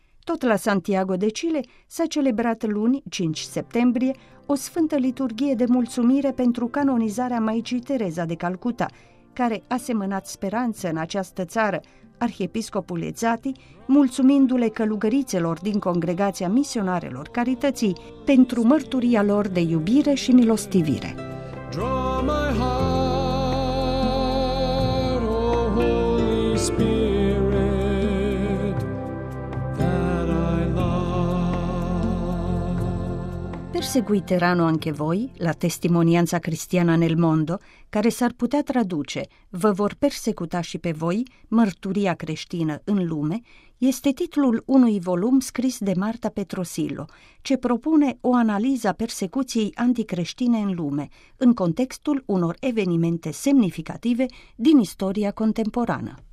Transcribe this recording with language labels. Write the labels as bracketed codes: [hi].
[ro] Tot la Santiago de Chile s-a celebrat luni, 5 septembrie, o sfântă liturghie de mulțumire pentru canonizarea Maicii Tereza de Calcuta, care a semănat speranță în această țară, arhiepiscopul Ezzati, mulțumindu-le călugărițelor din Congregația Misionarelor Carității pentru mărturia lor de iubire și milostivire. [en] Draw my heart, O Holy Spirit, that I love. [it] Perseguiteranno anche voi la testimonianza cristiana nel mondo, [ro] care s-ar putea traduce vă vor persecuta și pe voi mărturia creștină în lume, este titlul unui volum scris de Marta Petrosillo, ce propune o analiză a persecuției anticreștine în lume, în contextul unor evenimente semnificative din istoria contemporană.